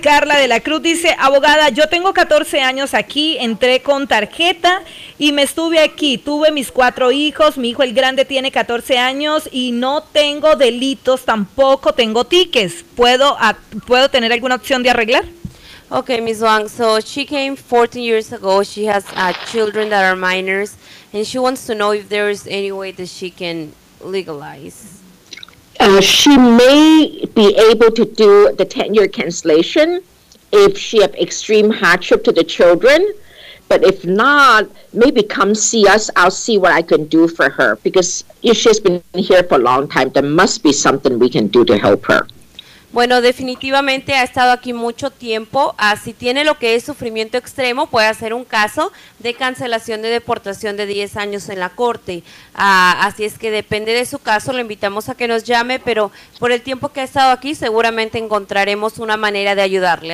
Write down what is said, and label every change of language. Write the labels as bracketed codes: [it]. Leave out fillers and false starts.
[es] Carla de la Cruz dice: abogada, yo tengo 14 años aquí, entré con tarjeta y me estuve aquí. Tuve mis 4 hijos, mi hijo el grande tiene 14 años y no tengo delitos, tampoco tengo tickets. ¿Puedo tener alguna opción de arreglar? [en] Okay, Ms. Wang, so she came 14 years ago, she has children that are minors, and she wants to know if there is any way that she can legalize. She may be able to do the 10-year cancellation if she have extreme hardship to the children. But if not, maybe come see us. I'll see what I can do for her. Because if she's been here for a long time, there must be something we can do to help her. [es] Bueno, definitivamente ha estado aquí mucho tiempo. Si tiene lo que es sufrimiento extremo, puede hacer un caso de cancelación de deportación de 10 años en la corte. Así es que depende de su caso, lo invitamos a que nos llame, pero por el tiempo que ha estado aquí, seguramente encontraremos una manera de ayudarle.